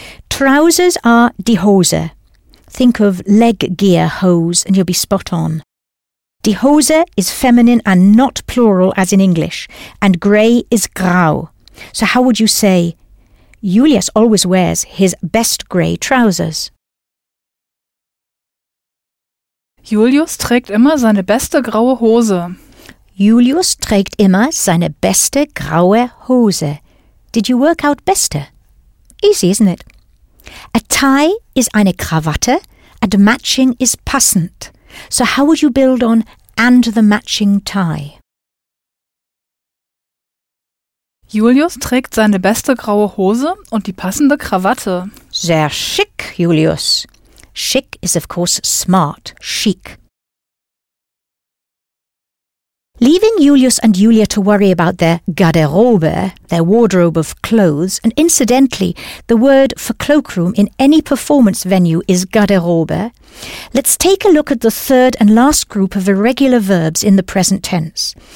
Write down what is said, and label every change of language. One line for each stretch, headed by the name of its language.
English: Trousers are die Hose. Think of leg gear, hose, and you'll be spot on. Die Hose is feminine and not plural as in English, and grey is grau. So how would you say, Julius always wears his best grey trousers?
German: Julius trägt immer seine beste graue Hose. Julius trägt immer seine beste graue Hose.
English: Did you work out beste? Easy, isn't it? A tie is eine Krawatte and matching is passend. So how would you build on and the matching tie?
German: Julius trägt seine beste graue Hose und die passende Krawatte. Sehr schick, Julius.
English: Schick is of course smart, chic. Leaving Julius and Julia to worry about their garderobe, their wardrobe of clothes, and incidentally, the word for cloakroom in any performance venue is garderobe, let's take a look at the third and last group of irregular verbs in the present tense.